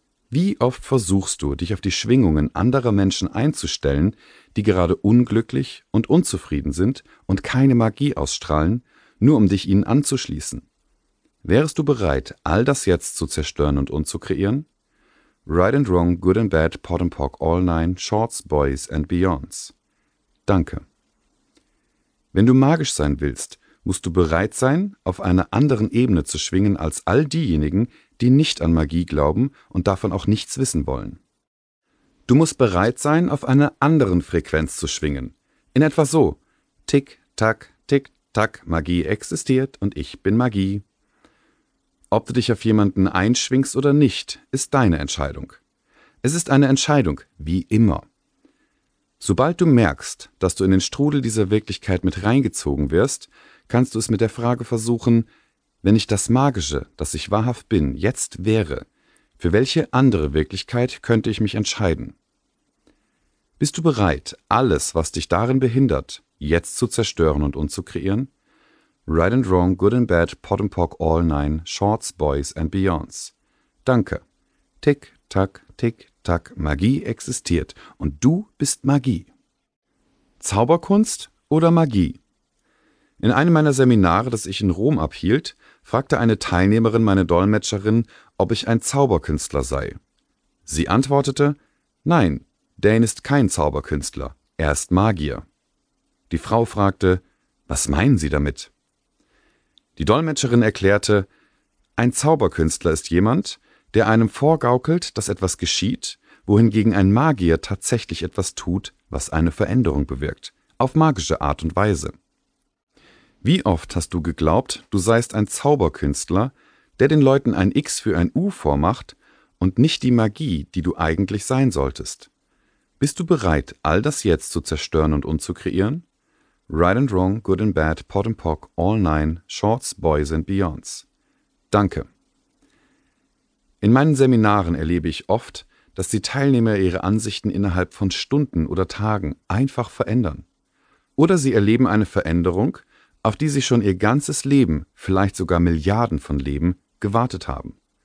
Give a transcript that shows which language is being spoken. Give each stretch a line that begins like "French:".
German: Wie oft versuchst du, dich auf die Schwingungen anderer Menschen einzustellen, die gerade unglücklich und unzufrieden sind und keine Magie ausstrahlen, nur um dich ihnen anzuschließen? Wärst du bereit, all das jetzt zu zerstören und umzukreieren?
English: Right and wrong, good and bad, pot and pock, all nine, shorts, boys and beyonds.
German: Danke. Wenn du magisch sein willst, musst du bereit sein, auf einer anderen Ebene zu schwingen als all diejenigen, die nicht an Magie glauben und davon auch nichts wissen wollen. Du musst bereit sein, auf einer anderen Frequenz zu schwingen. In etwa so. Tick, tack, tick, tack, Magie existiert und ich bin Magie. Ob du dich auf jemanden einschwingst oder nicht, ist deine Entscheidung. Es ist eine Entscheidung, wie immer. Sobald du merkst, dass du in den Strudel dieser Wirklichkeit mit reingezogen wirst, kannst du es mit der Frage versuchen, wenn ich das Magische, das ich wahrhaft bin, jetzt wäre, für welche andere Wirklichkeit könnte ich mich entscheiden? Bist du bereit, alles, was dich darin behindert, jetzt zu zerstören und umzukreieren?
English: Right and wrong, good and bad, pot and pock, all nine, shorts, boys and beyonds.
German: Danke. Tick, tack, tick, tack, Magie existiert und du bist Magie. Zauberkunst oder Magie? In einem meiner Seminare, das ich in Rom abhielt, fragte eine Teilnehmerin meine Dolmetscherin, ob ich ein Zauberkünstler sei. Sie antwortete, nein, Dane ist kein Zauberkünstler, er ist Magier. Die Frau fragte, was meinen Sie damit? Die Dolmetscherin erklärte, ein Zauberkünstler ist jemand, der einem vorgaukelt, dass etwas geschieht, wohingegen ein Magier tatsächlich etwas tut, was eine Veränderung bewirkt, auf magische Art und Weise. Wie oft hast du geglaubt, du seist ein Zauberkünstler, der den Leuten ein X für ein U vormacht und nicht die Magie, die du eigentlich sein solltest? Bist du bereit, all das jetzt zu zerstören und umzukreieren?
English: Right and wrong, good and bad, pot and pock, all nine, shorts, boys and beyonds.
German: Danke. In meinen Seminaren erlebe ich oft, dass die Teilnehmer ihre Ansichten innerhalb von Stunden oder Tagen einfach verändern. Oder sie erleben eine Veränderung, auf die sie schon ihr ganzes Leben, vielleicht sogar Milliarden von Leben, gewartet haben.